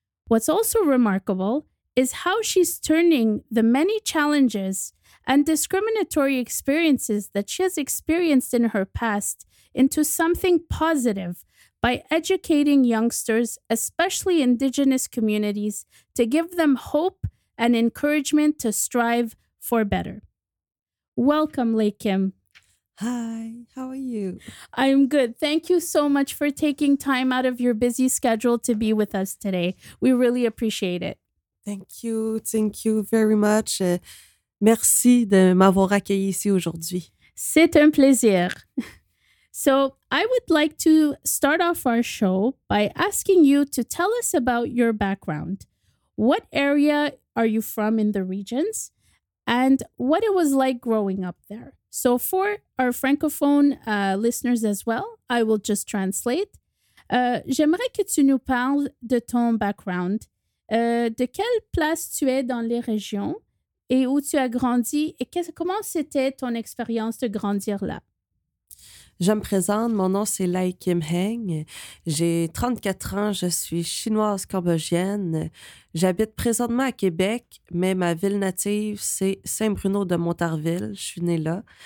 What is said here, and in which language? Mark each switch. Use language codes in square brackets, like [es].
[en] What's also remarkable is how she's turning the many challenges and discriminatory experiences that she has experienced in her past into something positive by educating youngsters, especially Indigenous communities, to give them hope and encouragement to strive for better. Welcome, Lay Kim. Hi, how are you? I'm good. Thank you so much for taking time out of your busy schedule to be with us today. We really appreciate it. Thank you very much. [fr] Merci de m'avoir accueilli ici aujourd'hui. C'est un plaisir. [en] So I would like to start off our show by asking you to tell us about your background. What area are you from in the regions and what it was like growing up there? So for our francophone listeners as well, I will just translate. [fr] J'aimerais que tu nous parles de ton background. De quelle place tu es dans les régions et où tu as grandi et comment c'était ton expérience de grandir là? Je me présente, mon nom c'est Lai Kim Heng, j'ai 34 ans, je suis chinoise cambodgienne, j'habite présentement à Québec, mais ma ville native c'est Saint-Bruno de Montarville, je suis née là.